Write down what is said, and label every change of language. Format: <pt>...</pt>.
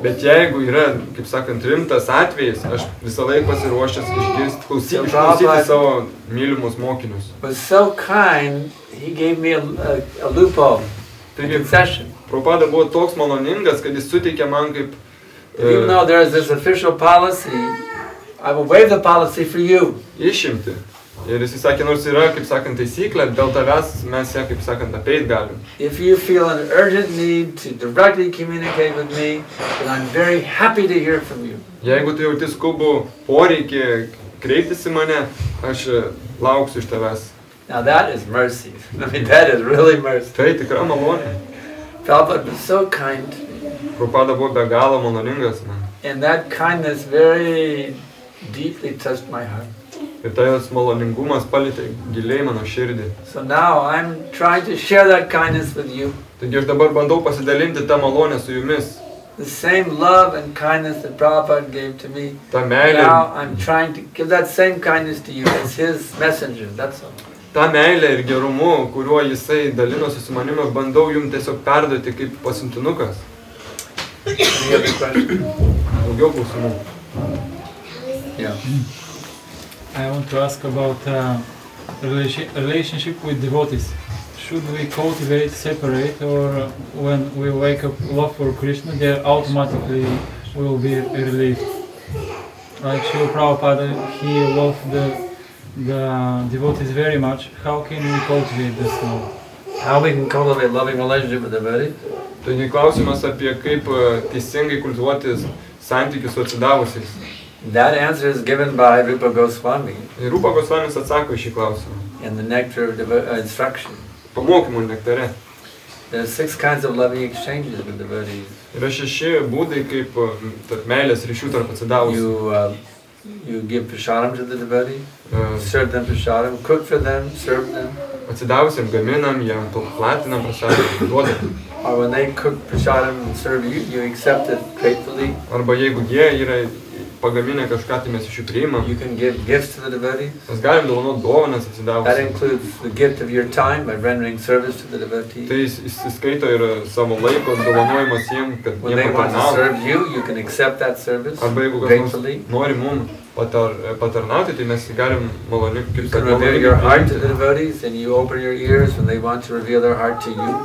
<lt>Bet jeigu yra, kaip sakant, rimtas atvejis, aš visą laiką pasiruošęs išklausyti savo mylimus mokinius. Prabhupada buvo toks maloningas, kad jis suteikė man kaip...</lt> <en>Even though there is this official policy, I will waive the policy for you.</en> <lt>Išimti. Ir jis sakė, nors yra, kaip sakant, taisyklė, dėl tavęs mes ją, kaip sakant, apeit galim.</lt> <en>If you feel an urgent need to directly communicate with me, then I'm very happy to hear from you.</en> <lt>Jeigu tu jauti skubų poreikį kreiptis į mane, aš lauksiu iš tavęs.</lt> <en>Now that is mercy. I mean, that is really mercy.</en> <lt>Tai tikra malonė.</lt> <en>Prabhupada was so kind.</en> <lt>Prabhupada buvo be galo maloningas man.</lt> <en>And that kindness very deeply touched my heart.</en> <lt>Ir tas maloningumas palietė giliai mano širdį.</lt> <en>So now I'm trying to share that kindness with you.</en> <lt>Taigi aš dabar bandau pasidalinti tą malonę su jumis.</lt> <en>the same love and kindness that Prabhupada gave to me.</en> <lt>Ta meilė.</lt> <en>Now I'm trying to give that same kindness to you as his messenger. That's all.</en> <lt>Ta meilė ir gerumu, kuriuo jisai dalinosi su manimi, bandau jums tiesiog perduoti kaip pasiuntinukas. Daugiau klausimų.</lt> <en>I want to ask about relationship with devotees. Should we cultivate separate, or when we wake up love for Krishna, they automatically will be relieved? Like Srila Prabhupada, he loved the devotees very much. How can we cultivate this love? How we can cultivate loving relationship with the devotees?</en> <lt>Tai ne klausimas apie kaip teisingai kultivuoti santykius su atsidavusiais.</lt> <en>That answer is given by Rupa Goswami.</en> <lt>Rupa Goswami atsako į šį klausimą.</lt> <en>In the nectar of instruction.</en> <lt>Pamokymų nektare.</lt> <en>There are six kinds of loving exchanges with devotees.</en> <lt>Yra šeši būdai kaip tarp meilės ryšių tarp atsidavusių.</lt> <en>You give prasadam to the devotee, serve them prasadam, cook for them, serve them.</en> <lt>Atsidavusiam gaminam, jam platinam prasadam, duodam.</lt> <en>Or when they cook prasadam and serve you, you accept it gratefully.</en> <lt>Arba jeigu jie yra pagaminę kažką, tai mes iš jų priimam.</lt> <en>You can give gifts to the devotees.</en> <lt>Mes galim dovanot dovanas atsidavusiam.</lt> <en>That includes the gift of your time by rendering service to the devotee.</en> <lt>Tai įskaito ir savo laiko dovanojimas jiem, kad</lt> <en>when they want to serve you, you can accept that service.</en> <lt>Arba jeigu kas nori mums paternauti, tai mes galim maloni kaip</lt> <en>You can reveal your heart to the devotees and you open your ears when they want to reveal their heart to you.</en>